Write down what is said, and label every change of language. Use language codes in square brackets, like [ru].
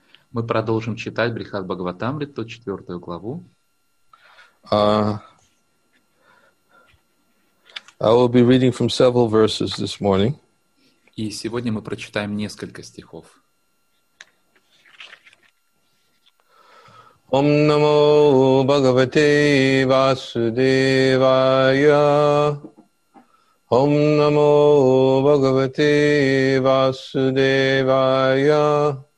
[ru] Мы продолжим читать Брихад Бхагаватамриту, 4 главу. [en] I will be reading from several verses this morning. [ru] И сегодня мы прочитаем несколько стихов. [sa] Ом намо Бхагавате Васудевая. Ом намо Бхагавате Васудевая.